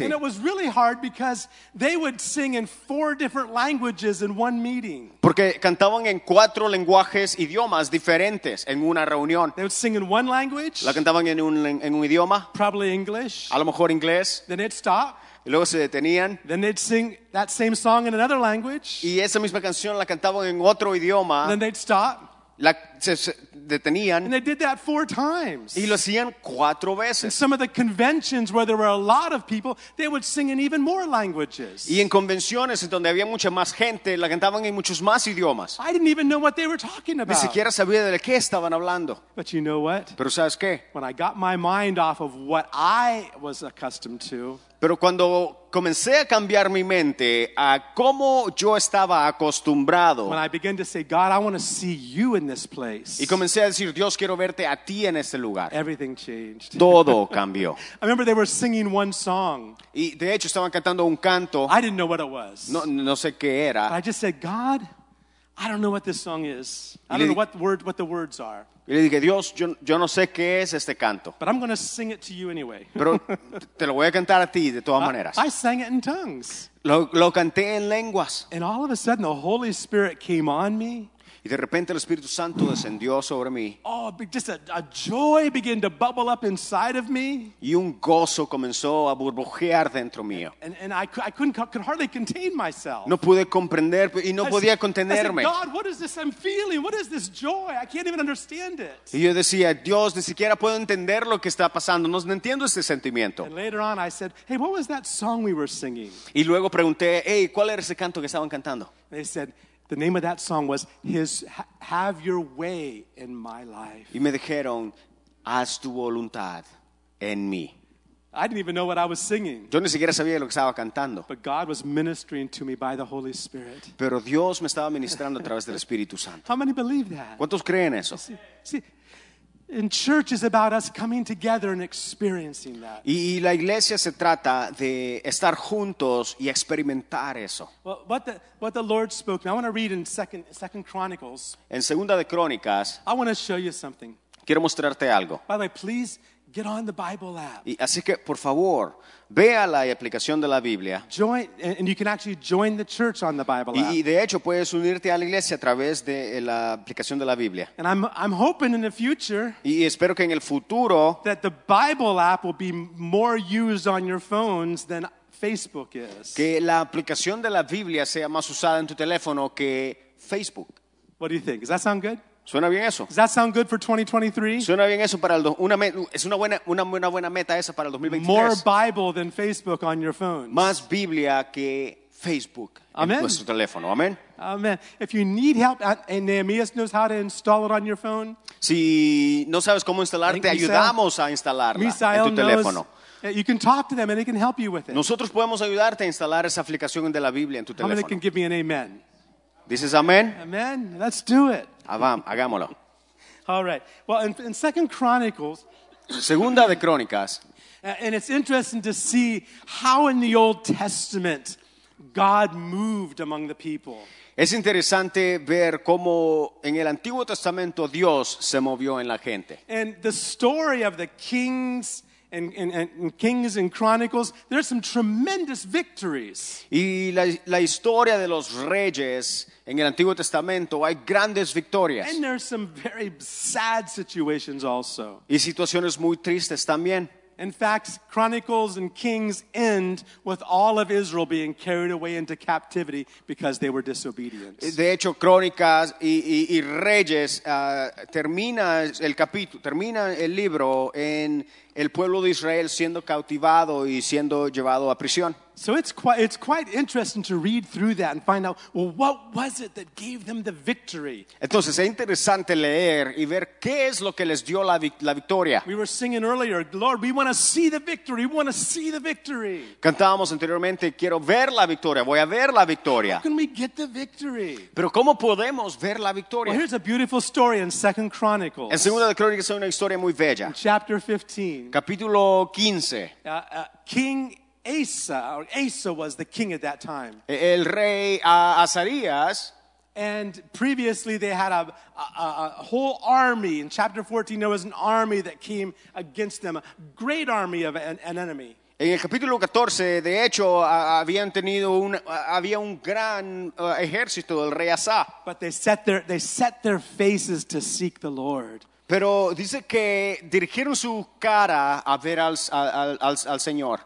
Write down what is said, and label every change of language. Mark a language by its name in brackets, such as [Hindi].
[English] And it was really hard because they would sing in four different languages in one meeting. [Spanish] Porque cantaban en cuatro lenguajes idiomas diferentes en una reunión. [English] They would sing in one language. [Spanish] La cantaban en un idioma. [English] Probably English. [Spanish] A lo mejor inglés. [English] Then it stopped. [Spanish] Y luego se detenían. [English] Then they'd sing that same song in another language. [Spanish] Y esa misma canción la cantaban en otro idioma. [English] Then they'd stop. [Spanish] Se detenían. [English] And they did that four times. [Spanish] Y lo hacían cuatro veces. [English] In some of the conventions where there were a lot of people, they would sing in even more languages. [Spanish] Y en convenciones donde había mucha más gente, la cantaban en muchos más idiomas. [English] I didn't even know what they were talking about. [Spanish] Ni siquiera sabía de qué estaban hablando. [English] But you know what? [Spanish] Pero ¿sabes qué? [English] When I got my mind off of what I was accustomed to, [Spanish] pero cuando comencé a cambiar mi mente a cómo yo estaba acostumbrado, [English] when I began to say, God, I want to see you in this place, place. [Spanish] Y comencé a decir, Dios, quiero verte a ti en este lugar. [English] Everything changed. [Spanish] Todo cambió. [English] I remember they were singing one song. [Spanish] Y de hecho estaban cantando un canto. [English] I didn't know what it was. [Spanish] No sé qué era. [English] But I just said, God, I don't know what this song is. I don't know what the words are. [Spanish] Y le dije, Dios, yo no sé qué es este canto. [English] But I'm going to sing it to you anyway. [Spanish] Pero te lo voy a cantar a ti de todas maneras. [English] I sang it in tongues. [Spanish] Lo canté en lenguas. [English] And all of a sudden the Holy Spirit came on me. [Spanish] Y de repente el Espíritu Santo descendió sobre mí. [English] Oh, just a joy began to bubble up inside of me. [Spanish] Y un gozo comenzó a burbujear dentro mío. [English] And I could hardly contain myself. [Spanish] No pude comprender y no podía contenerme. [English] I said, God, what is this I'm feeling? What is this joy? I can't even understand it. [Spanish] Y yo decía, Dios, ni siquiera puedo entender lo que está pasando. No entiendo este sentimiento. [English] And later on I said, hey, what was that song we were singing? [Spanish] Y luego pregunté, hey, ¿cuál era ese canto que estaban cantando? [English] They said, the name of that song was Have Your Way in My Life. [Spanish] Y me dijeron, haz tu voluntad en mí. [English] I didn't even know what I was singing. [Spanish] Yo ni siquiera sabía lo que estaba cantando. [English] But God was ministering to me by the Holy Spirit. [Spanish] Pero Dios me estaba ministrando a través del Espíritu Santo. [English] How many believe that? [Spanish] ¿Cuántos creen eso? [English] See, and church is about us coming together and experiencing that. [Spanish] Y la iglesia se trata de estar juntos y experimentar eso. [English] Well, what the Lord spoke to me. I want to read in Second Chronicles. [Spanish] En Segunda de Crónicas. [English] I want to show you something. [Spanish] Quiero mostrarte algo. [English] By the way, please get on the Bible app. [Spanish] Y así que por favor, vea la aplicación de la Biblia. [English] Join, and you can actually join the church on the Bible app. [Spanish] Y de hecho puedes unirte a la iglesia a través de la aplicación de la Biblia. [English] And I'm hoping in the future. [Spanish] Y espero que en el futuro [English] that the Bible app will be more used on your phones than Facebook is. [Spanish] Que la aplicación de la Biblia sea más usada en tu teléfono que Facebook. [English] What do you think? Does that sound good? [Spanish] Suena bien eso. [English] Does that sound good for 2023? [Spanish] Suena bien eso para una buena meta esa para el 2023. [English] More Bible than Facebook on your phones. [Spanish] Más Biblia que Facebook. [English] Amen. [Spanish] En nuestro teléfono. Amen. [English] Amen. If you need help, and Nehemiah knows how to install it on your phone. [Spanish] Si no sabes cómo instalar, te ayudamos a instalarla en tu teléfono. [English] You can talk to them and they can help you with it. [Spanish] Nosotros podemos ayudarte a instalar esa aplicación de la Biblia en tu teléfono. [English] How many can give me an amen? [Spanish] Dices amén. [English] Amen. Let's do it. [Spanish] Hagámoslo. [English] All right. Well, in Second Chronicles. [Spanish] Segunda de Crónicas. [English] And it's interesting to see how in the Old Testament God moved among the people. [Spanish] Es interesante ver cómo en el Antiguo Testamento Dios se movió en la gente. [English] And the story of the kings. And Kings and Chronicles, there's some tremendous victories. [Spanish] Y la historia de los reyes en el Antiguo Testamento, hay grandes victorias. [English] And there's some very sad situations also. [Spanish] Y situaciones muy tristes también. [English] In fact, Chronicles and Kings end with all of Israel being carried away into captivity because they were disobedient. [Spanish] De hecho, Crónicas y Reyes termina el libro en el pueblo de Israel siendo cautivado y siendo llevado a prisión. [English] So it's quite interesting to read through that and find out, well, what was it that gave them the victory? [Spanish] Entonces es interesante leer y ver qué es lo que les dio la victoria. [English] We were singing earlier, Lord, we want to see the victory. We want to see the victory. [Spanish] Cantábamos anteriormente, quiero ver la victoria. Voy a ver la victoria. [English] How can we get the victory? [Spanish] Pero cómo podemos ver la victoria? [English] Well, here's a beautiful story in Second Chronicles. [Spanish] En Segunda de Crónicas hay una historia muy bella. [English] In chapter 15. [Spanish] Capítulo 15. [English] King Asa, or Asa was the king at that time. [Spanish] El rey Azarías. [English] And previously they had a whole army. In chapter 14 there was an army that came against them, a great army of an enemy. [Spanish] En el capítulo 14, de hecho, había un gran ejército del rey Asa. [English] But they set their faces to seek the Lord. [Spanish] Pero dice que dirigieron su cara a ver al Señor.